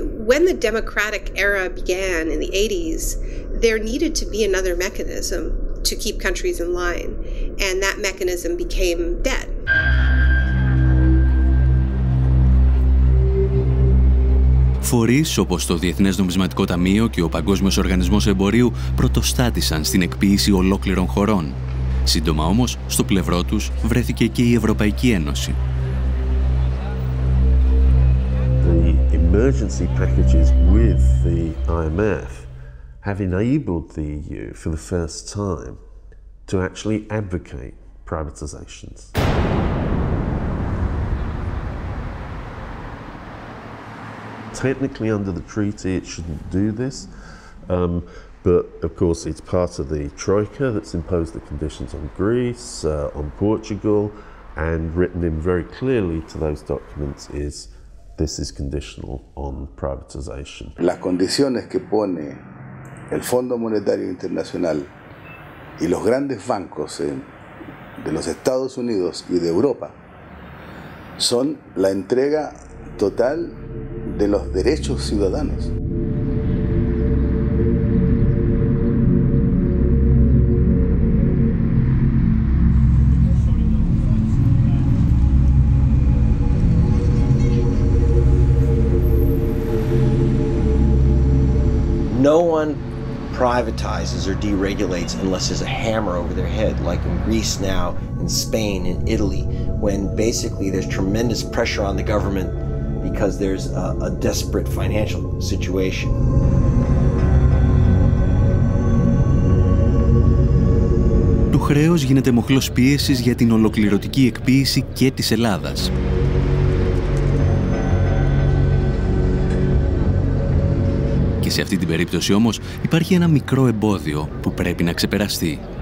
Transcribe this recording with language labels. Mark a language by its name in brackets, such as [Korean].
[English] When the democratic era began in the 80s, there needed to be another mechanism to keep countries in line, and that mechanism became debt. [Greek] Φορείς όπως το Διεθνές Νομισματικό Ταμείο και ο Παγκόσμιος Οργανισμός Εμπορίου πρωτοστάτησαν στην εκποίηση ολόκληρων χωρών. Σύντομα όμως, στο πλευρό τους βρέθηκε και η Ευρωπαϊκή Ένωση. [English] Emergency packages with the IMF have enabled the EU for the first time to actually advocate privatizations. Technically, under the treaty, it shouldn't do this, but of course, it's part of the Troika that's imposed the conditions on Greece, on Portugal, and written in very clearly to those documents is. This is conditional on privatization. [Spanish] Las condiciones que pone el Fondo Monetario Internacional y los grandes bancos de los Estados Unidos y de Europa son la entrega total de los derechos ciudadanos. [English] No one privatizes or deregulates unless there's a hammer over their head, like in Greece now, in Spain, in Italy, when basically there's tremendous pressure on the government because there's a desperate financial situation. [Greek] Το χρέος γίνεται μοχλός πίεσης για την ολοκληρωτική εκποίηση και της Ελλάδας. Και Σε αυτή την περίπτωση όμως υπάρχει ένα μικρό εμπόδιο που πρέπει να ξεπεραστεί.